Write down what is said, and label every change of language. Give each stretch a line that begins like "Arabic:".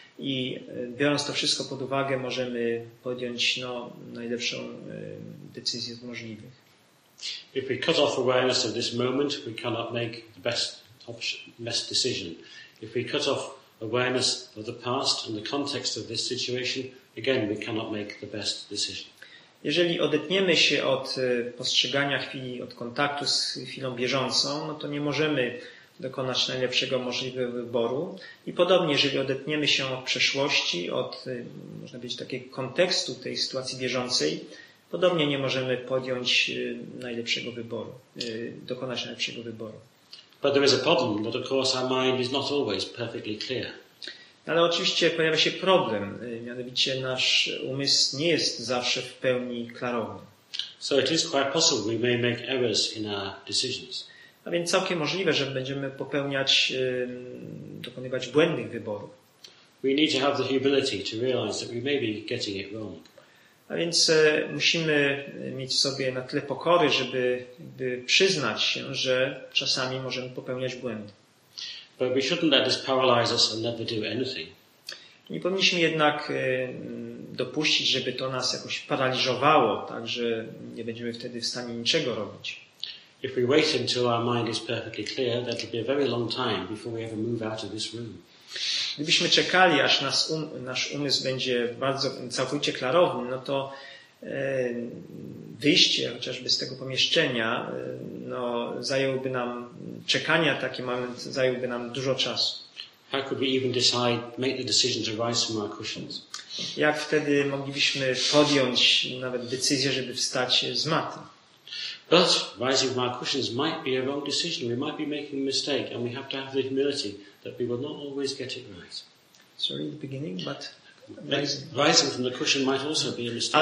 Polish: I biorąc to wszystko pod uwagę, możemy podjąć no, najlepszą decyzję z możliwych.
English: If we cut off awareness of this moment, we cannot make the best decision. If we cut off awareness of the past and the context of this situation, again, we cannot make the best decision.
Polish: Jeżeli odetniemy się od postrzegania chwili, od kontaktu z chwilą bieżącą, no to nie możemy dokonać najlepszego możliwego wyboru. I podobnie, jeżeli odetniemy się od przeszłości, od, można powiedzieć, takiego kontekstu tej sytuacji bieżącej, podobnie nie możemy podjąć najlepszego wyboru, dokonać najlepszego wyboru.
English: But there is a problem, but of course our mind is not always perfectly clear.
Polish: Ale oczywiście pojawia się problem, mianowicie nasz umysł nie jest zawsze w pełni klarowny.
English: So it is quite possible we may make errors in our decisions.
Polish: A więc całkiem możliwe, że będziemy popełniać, dokonywać błędnych wyborów.
English: We need to have the humility to realize that we may be getting it wrong.
Polish: A więc musimy mieć w sobie na tyle pokory, żeby przyznać się, że czasami możemy popełniać błędy.
English: But we shouldn't let this paralyze us and never do anything.
Polish: Nie powinniśmy jednak dopuścić, żeby to nas jakoś paraliżowało, tak że nie będziemy wtedy w stanie niczego robić.
English: If we wait until our mind is perfectly clear, that'll be a very long time before we ever move out of this room.
Polish: Gdybyśmy czekali, aż nasz umysł będzie bardzo całkowicie klarowny, no to wyjście chociażby z tego pomieszczenia, no zajęłoby nam czekania taki moment, zajęłoby nam dużo czasu.
English: How could we even decide, make the decision to rise from our cushions?
Polish: Jak wtedy moglibyśmy podjąć nawet decyzję, żeby wstać z maty?
English: But rising from our cushions might be a wrong decision. We might be making a mistake, and we have to have the humility that we will not always get it right. Sorry, in the beginning, but rising from the cushion might also be a mistake.